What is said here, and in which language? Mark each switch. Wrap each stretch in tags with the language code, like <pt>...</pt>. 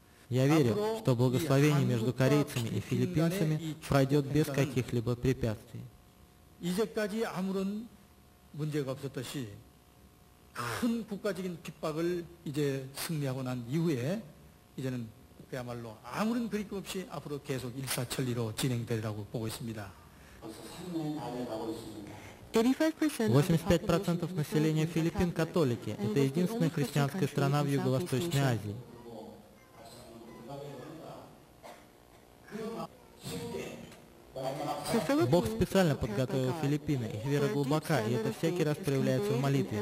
<ru>Я верю, что благословение между корейцами и филиппинцами пройдет без каких-либо препятствий.</ru> <ko>이제까지 아무런 문제가 없었듯이 큰 국가적인 핍박을 이제 승리하고 난 이후에 이제는 그야말로 아무런 그립 없이 앞으로 계속 일사천리로 진행되리라고 보고 있습니다.</ko> <ru>85% населения Филиппин католики. Это единственная христианская страна в Юго-Восточной Азии. Бог специально подготовил Филиппины, их вера глубока, и это всякий раз проявляется в молитве.</ru>